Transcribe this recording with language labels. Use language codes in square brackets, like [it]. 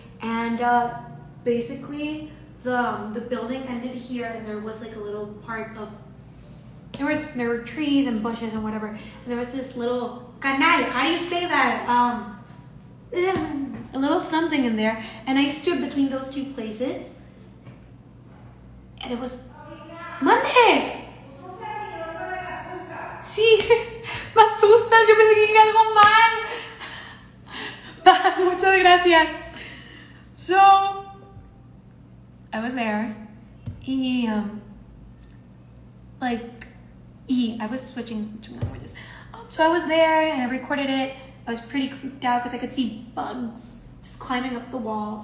[en] And basically the building ended here, and there was like a little part of, there were trees and bushes and whatever, and there was this little canal, how do you say that, a little something in there. And I stood between those two places, and it was Monday. [es] Sí, me asustas, yo pensé que hay algo mal. Muchas gracias. [en] So, I was there, I was switching between languages. So I was there and I recorded it. I was pretty creeped out because I could see bugs just climbing up the walls.